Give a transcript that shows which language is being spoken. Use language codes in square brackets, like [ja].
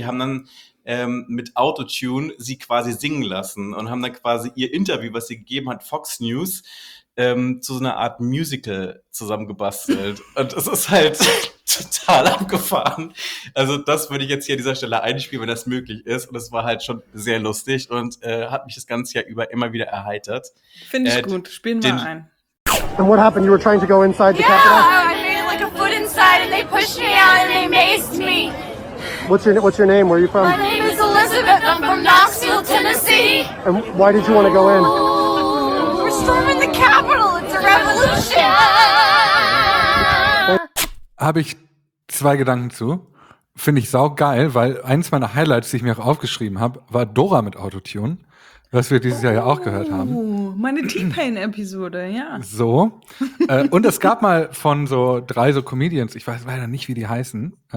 [de] Die haben dann mit Autotune sie quasi singen lassen und haben dann quasi ihr Interview, was sie gegeben hat, Fox News, zu so einer Art Musical zusammengebastelt. Und es ist halt total abgefahren. Also das würde ich jetzt hier an dieser Stelle einspielen, wenn das möglich ist. Und es war halt schon sehr lustig und hat mich das ganze Jahr über immer wieder erheitert. Finde ich gut. Spielen wir ein. [en] And what happened? You were trying to go inside the Capitol? Yeah, inside and they pushed me out and they maced me. What's your name? Where are you from? My name is Elizabeth. I'm from Knoxville, Tennessee. And why did you want to go in? We're storming the Capitol. It's a revolution. [de] Habe ich zwei Gedanken zu. Finde ich saugeil, weil eins meiner Highlights, die ich mir auch aufgeschrieben habe, war Dora mit Autotune. Was wir dieses Jahr ja auch gehört haben. Meine T-Pain-Episode, ja. So. Und es gab mal von so drei so Comedians, ich weiß leider nicht, wie die heißen.